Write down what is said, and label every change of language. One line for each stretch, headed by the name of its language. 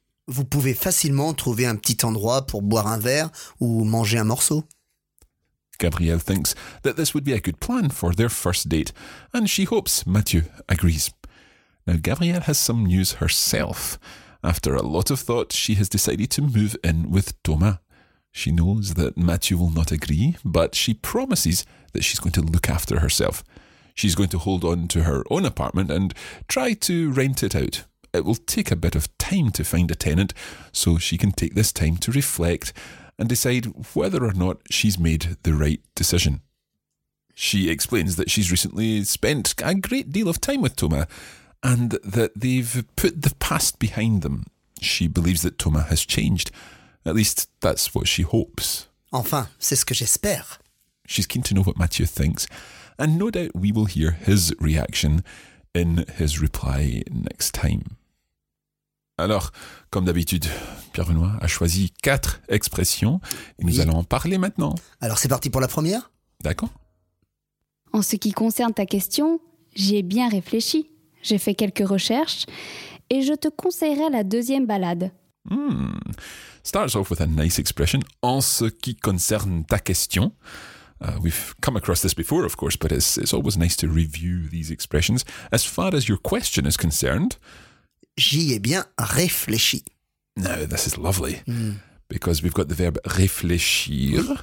French: Vous pouvez facilement trouver un petit endroit pour boire un verre ou manger un morceau.
English: Gabrielle thinks that this would be a good plan for their first date, and she hopes Mathieu agrees. Now, Gabrielle has some news herself. After a lot of thought, she has decided to move in with Thomas. She knows that Mathieu will not agree, but she promises that she's going to look after herself. She's going to hold on to her own apartment and try to rent it out. It will take a bit of time to find a tenant, so she can take this time to reflect and decide whether or not she's made the right decision. She explains that she's recently spent a great deal of time with Thomas and that they've put the past behind them. She believes that Thomas has changed. At least, that's what she hopes.
French: Enfin, c'est ce que j'espère.
English: She's keen to know what Mathieu thinks, and no doubt we will hear his reaction in his reply next time.
French: Alors, comme d'habitude, Pierre-Benoît a choisi quatre expressions et nous allons en parler maintenant. Alors c'est parti pour la première. D'accord. En ce qui concerne ta question, j'y ai bien réfléchi. J'ai fait quelques recherches et je te conseillerais la deuxième balade.
English: Starts off with a nice expression.
French: En ce qui concerne ta question.
English: We've come across this before, of course, but it's always nice to review these expressions. As far as your question is concerned...
French: J'y ai bien réfléchi.
English: Now, this is lovely. Because we've got the verb réfléchir.